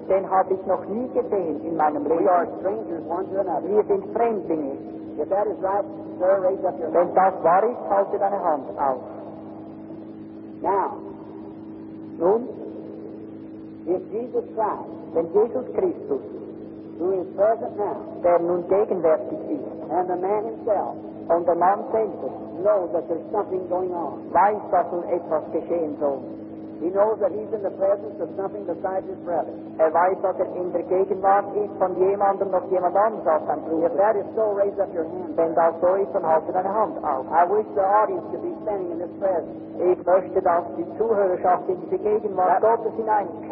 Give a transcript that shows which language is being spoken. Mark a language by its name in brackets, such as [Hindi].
[German] Den habe ich noch nie gesehen in meinem Leben. [English] We are strangers one to another. [German] Wir sind Fremdlinge. [English] If that is right, sir, raise up your hand. [German] Wenn das wahr ist, halte deine Hand auf. [English] Now. [German] Nun. [English] If Jesus Christ, [German] wenn Jesus Christus, [English] who is present now, [German] der nun gegenwärtig ist, [English] and the man himself, [German] und der Mann selbst, [English] knows that there's something going on, [German] weiß, dass nun etwas geschehen soll. [English] He knows that he's in the presence of something besides his brother. [German] Er weiß, dass in der Gegenwart ist von jemandem, noch jemand anderes als sein Bruder. [English] If that is so, raise up your hand. [German] Wenn das so ist, dann halte deine Hand auf. [English] I wish the audience could be standing in his presence. [German] Ich möchte, dass die Zuhörerschaft in die Gegenwart Gottes hineinkommt.